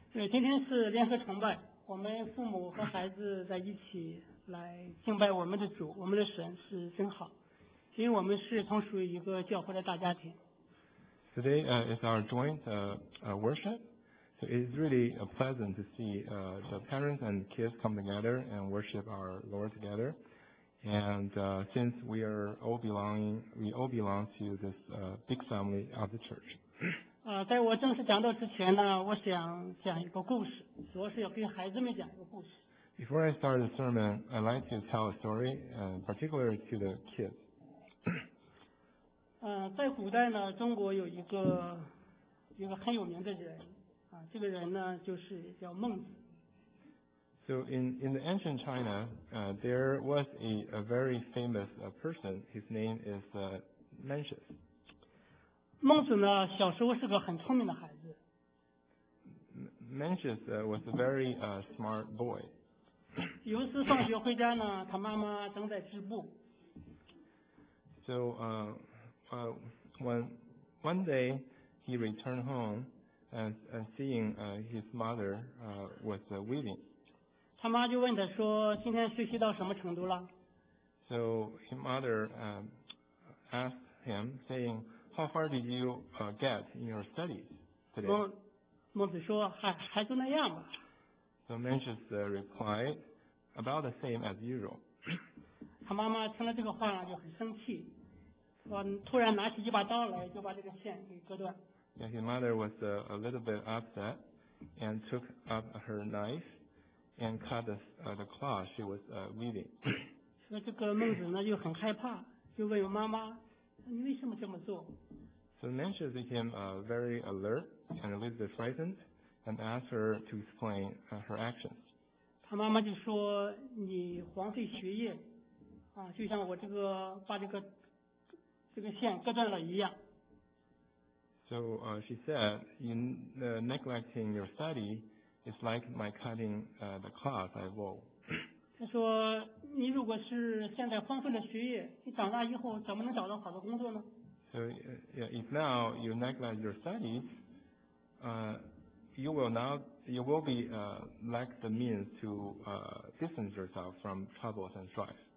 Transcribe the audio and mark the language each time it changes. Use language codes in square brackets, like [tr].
[zh] 今天是联合崇拜，我们父母和孩子在一起来敬拜我们的主，我们的神是真好，因为我们是同属于一个教会的大家庭。 [en] Today is our joint worship. So it is really pleasant to see the parents and kids come together and worship our Lord together. And since we all belong to this big family of the church. [zh] 在我正式讲到之前呢，我想讲一个故事，主要是要给孩子们讲一个故事。 [en] Before I start the sermon, I'd like to tell a story, particularly to the kids. [zh] 在古代呢，中国有一个很有名的人，这个人呢就是叫孟子。 [en] So in the ancient China, there was a very famous person. His name is Mencius. [zh] 孟子呢，小时候是个很聪明的孩子。 [en] Mencius was a very smart boy. [zh] 有一次放学回家呢，他妈妈正在织布。 [en] So one day he returned home and seeing his mother was weaving. [zh] 他妈就问他说：“今天学习到什么程度了？” [en] So his mother asked him, saying, "How far did you get in your studies today?" [zh] 孟子说：“还就那样吧。” [en] So Mencius replied. About the same as usual. [zh] 他妈妈听了这个话呢就很生气，突然拿起一把刀来就把这个线给割断。 [en] Yeah, his mother was a little bit upset and took up her knife and cut the cloth she was weaving. [zh] 说这个孟子呢就很害怕，就问妈妈：“你为什么这么做？” [en] So Mencius became very alert and a little bit frightened and asked her to explain her actions. [zh] 他妈妈就说：“你荒废学业，就像我这个把这个线割断了一样。” [en] So she said, "In neglecting your study is like my cutting the cloth I wove." [zh] 他说：“你如果是现在荒废了学业，你长大以后怎么能找到好的工作呢？” [en] So if now you neglect your studies, you will be lack the means to distance yourself from troubles and strife.